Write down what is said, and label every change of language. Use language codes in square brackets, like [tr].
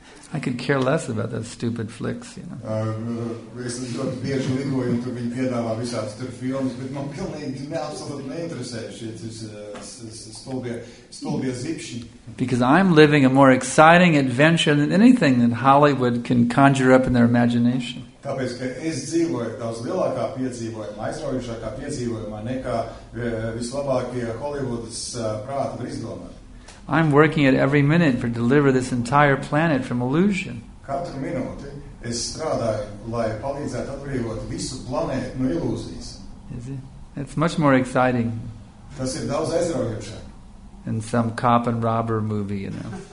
[en] I could care less about those stupid flicks, you know. Because I'm living a more exciting adventure than anything that Hollywood can conjure up in their imagination. [lv] Tāpēc, ka es dzīvoju daudz lielākā piedzīvojumā, aizraujušākā piedzīvojumā, nekā vislabākie Hollywoodas prāti var izdomāt. [en] I'm working at every minute to deliver this entire planet from illusion. [lv] Katru minūti es strādāju, lai palīdzētu atbrīvot visu planētu no ilūzijas. [en] It's much more exciting. [lv] Tas ir daudz aizraujošāk. [en] In some cop and robber movie, you know.